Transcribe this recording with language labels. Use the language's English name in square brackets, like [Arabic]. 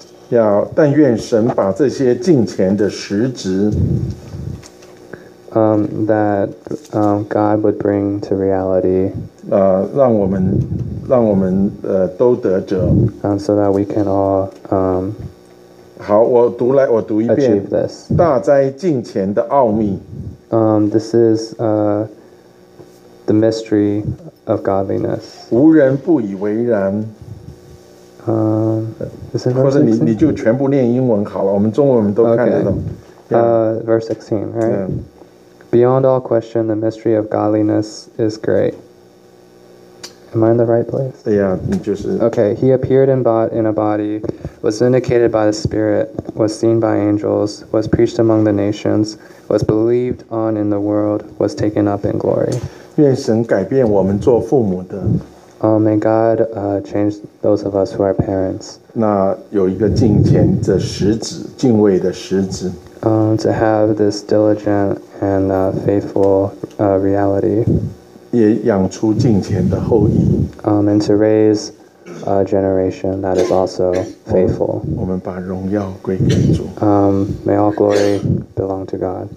[Chinese] Yeah. 但愿神把这些敬虔的实质。 [English] that God would bring to reality. [Chinese] 让我们都得着。 [English] So that we can all. [Chinese] 好，我读来，我读一遍。 [English] Achieve this. [Chinese] 大灾近前的奥秘。 [English] This is the mystery of godliness. [Chinese] 无人不以为然。或者你就全部念英文好了，我们中文我们都看得懂。 [English] Okay. Yeah. Verse 16, right? Yeah. Beyond all question, the mystery of godliness is great. Am I in the right place? Yeah, just. Okay, he appeared in a body, was vindicated by the Spirit, was seen by angels, was preached among the nations, was believed on in the world, was taken up in glory. [Chinese] 愿神改变我们做父母的。 [English] May God change those of us who are parents. [Chinese] 那有一个敬虔的实质，敬畏的实质。 [English] To have this diligent and faithful reality. [Chinese] 也养出敬虔的后裔。 [English] And to raise a generation that is also faithful. [Chinese] 我们把荣耀归给主。 [English] May all glory belong to God.